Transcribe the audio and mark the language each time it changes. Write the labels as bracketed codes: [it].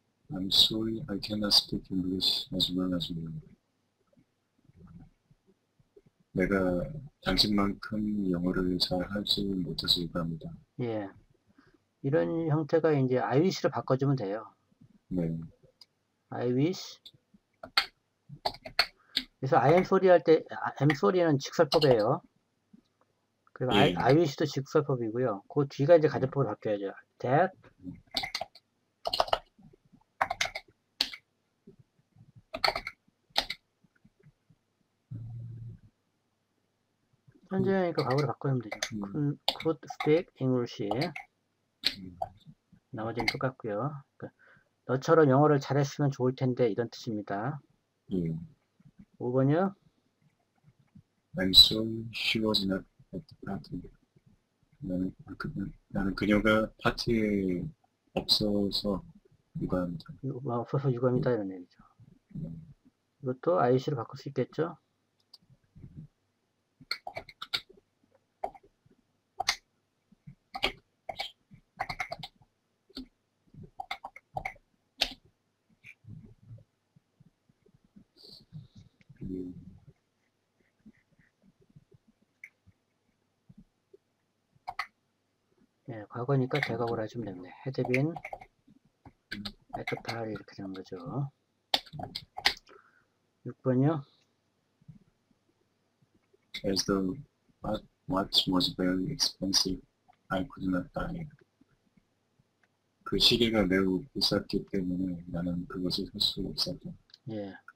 [en] I'm sorry, I cannot speak English as well as you. [ko] 내가 당신만큼 영어를 잘할줄 못해서 유감이다. 예. 이런 형태가 이제 [en] I wish [ko] 로 바꿔주면 돼요. I wish. 그래서 [en] I am sorry [ko] 할 때, [en] I'm sorry [ko] 는 직설법이에요. 그리고 I wish도 직설법이고요. 그 뒤가 이제 가정법으로 바뀌어야죠. [en] That. [ko] 현재형이니까 과거로 바꾸면 되죠. [en] Could speak English. [ko] 나머지는 똑같고요. 너처럼 영어를 잘했으면 좋을 텐데 이런 뜻입니다. 5번이요. [en] I'm sorry she was not at the party. [ko] 나는 그녀가 파티에 없어서 유감이다. 없어서 유감이다 이런 얘기죠. 이것도 IC로 바꿀 수 있겠죠? 예, 과거니까 대각으로 하시면 됩니다. [en] Had been at the party [ko] 이렇게 되는 거죠. 6번이요. [en] As the watch was very expensive, I could not buy it. [ko] 그 시계가 매우 비쌌기 때문에 나는 그것을 살수 없었다. 예.